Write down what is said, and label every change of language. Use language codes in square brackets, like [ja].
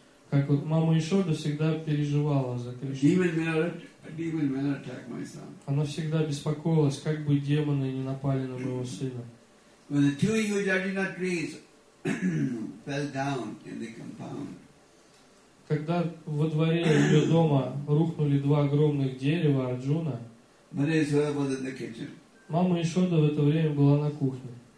[ru] Как вот мама Ишода всегда переживала за Кришну. Она всегда беспокоилась, как бы демоны не напали на моего сына. [en] When the two huge Arjuna trees fell down in the compound. [ru] Когда во дворе ее дома рухнули два огромных дерева Арджуна, [en] Mother Ishoda was in the kitchen. [ru] Мама Ишода в это время была на кухне.